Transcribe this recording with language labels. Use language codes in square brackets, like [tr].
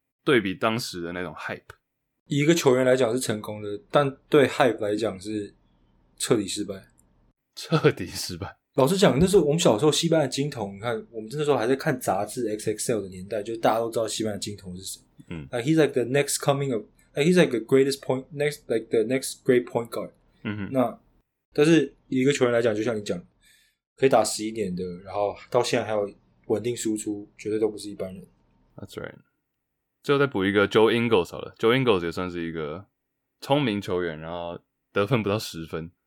[zh] 对比当时的那种 hype。以一个球员来讲是成功的，但对 hype 来讲是彻底失败。彻底失败。老实讲，那时候我们小时候西班牙金童，你看我们那时候还在看杂志 XXL 的年代，就大家都知道西班牙金童是谁。嗯 [en] ，like he's like the next coming of， like he's like the greatest point next， like the next great point guard。嗯哼。 [zh] 那但是以一个球员来讲，就像你讲，可以打11年的，然后到现在还有稳定输出，绝对都不是一般人。 [en] That's right。 [zh] 最后再补一个 Joe Ingles 好了 ，Joe Ingles 也算是一个聪明球员，然后得分不到10分。